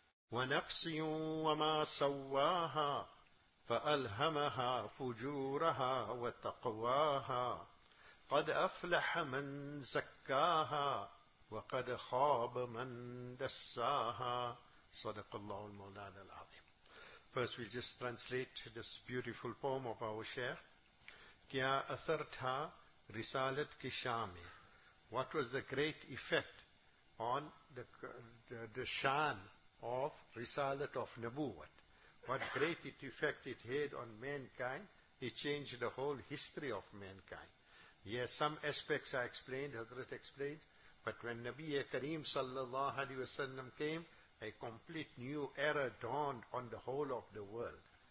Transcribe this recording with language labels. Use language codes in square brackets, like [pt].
[ar] ونفس وما سواها فألهمها فجورها وتقواها قد أفلح من زكاها وقد خاب من دساها. صدق الله المولانا العظيم. [en] First we just translate this beautiful poem of our Shaykh. [ur] کیا اثر تھا رسالت کی شان میں. [en] What was the great effect on the shan of رسالت of نبوت. What great effect it had on mankind. It changed the whole history of mankind. Yes, some aspects are explained, Hazrat explains, but when Nabiya Kareem sallallahu alayhi wa sallam came, a complete new era dawned on the whole of the world.